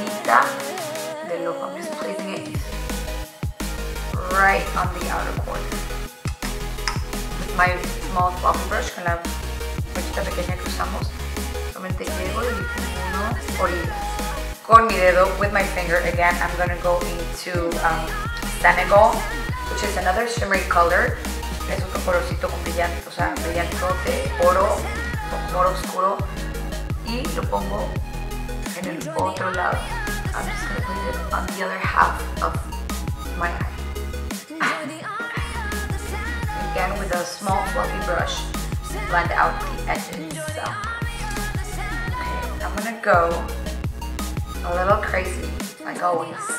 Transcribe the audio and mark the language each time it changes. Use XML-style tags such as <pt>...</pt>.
<en>The look, I'm just placing it right on the outer corner with my small fluffy brush.</en> <es>Con la brochita pequeña que usamos, solamente llego y uno orilla. Con mi dedo,</es> <en>with my finger again, I'm gonna go into Senegal, which is another shimmery color.</en> <es>Es otro colorcito con brillante, o sea, brillante de oro, con oro oscuro, y lo pongo en el otro lado.</es> <en>I'm just gonna put it on the other half of my eye. Again, with a small fluffy brush, blend out the edges. So, okay, I'm gonna go a little crazy, like always.</en>